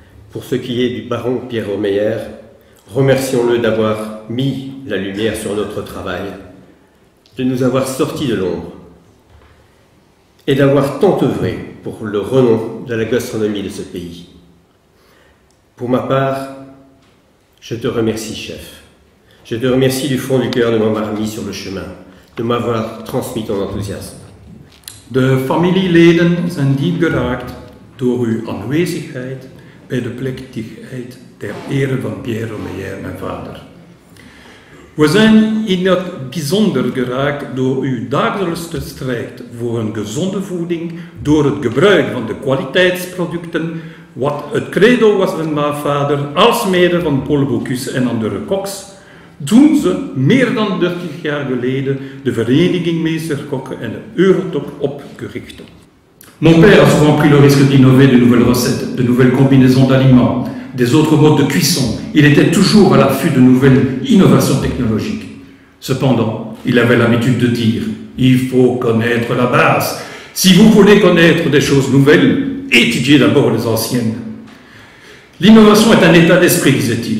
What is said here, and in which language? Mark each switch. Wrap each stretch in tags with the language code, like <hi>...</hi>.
<fr>Pour ce qui est du baron Pierre Romeyer, remercions-le d'avoir mis la lumière sur notre travail, de nous avoir sortis de l'ombre, et d'avoir tant œuvré pour le renom de la gastronomie de ce pays. Pour ma part, je te remercie, chef. Je te remercie du fond du cœur de m'avoir mis sur le chemin, de m'avoir transmis ton enthousiasme.</fr> <nl>De familieleden zijn diep geraakt door uw aanwezigheid bij de plechtigheid ter ere van Pierre Romeyer, mijn vader. We zijn in het bijzonder geraakt door uw dagelijkse strijd voor een gezonde voeding, door het gebruik van de kwaliteitsproducten, wat het credo was van mijn vader, alsmede van Paul Bocuse en andere koks, toen ze meer dan 30 jaar geleden de vereniging Meesterkokken en de Eurotop opgerichten.</nl> <fr>Mon père a souvent pris le risque d'innover de nouvelles recettes, de nouvelles combinaisons d'aliments, des autres modes de cuisson. Il était toujours à l'affût de nouvelles innovations technologiques. Cependant, il avait l'habitude de dire « Il faut connaître la base. Si vous voulez connaître des choses nouvelles, étudiez d'abord les anciennes. » L'innovation est un état d'esprit, disait-il.</fr>